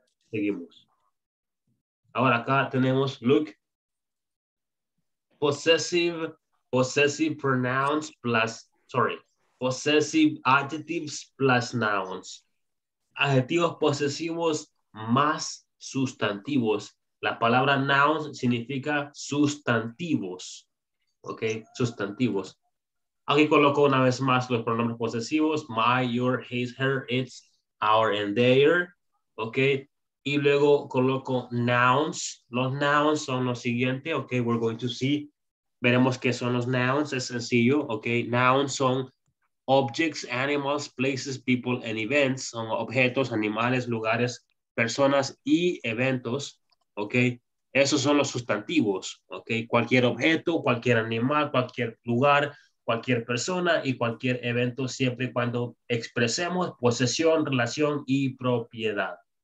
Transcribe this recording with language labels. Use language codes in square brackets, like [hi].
[es] Seguimos. Ahora acá tenemos, [en] look, possessive pronouns plus, sorry, possessive adjectives plus nouns. [es] Adjetivos posesivos más sustantivos. La palabra nouns significa sustantivos. Ok, sustantivos. Aquí coloco una vez más los pronombres posesivos. [en] My, your, his, her, its, our, and their. [es] Ok, y luego coloco nouns. Los nouns son lo siguiente. [en] Ok, we're going to see. [es] Veremos qué son los nouns, es sencillo, ok. [en] Nouns son objects, animals, places, people, and events. [es] Son objetos, animales, lugares, personas y eventos, ok. Esos son los sustantivos, ok. Cualquier objeto, cualquier animal, cualquier lugar, cualquier persona y cualquier evento siempre y cuando expresemos posesión, relación y propiedad.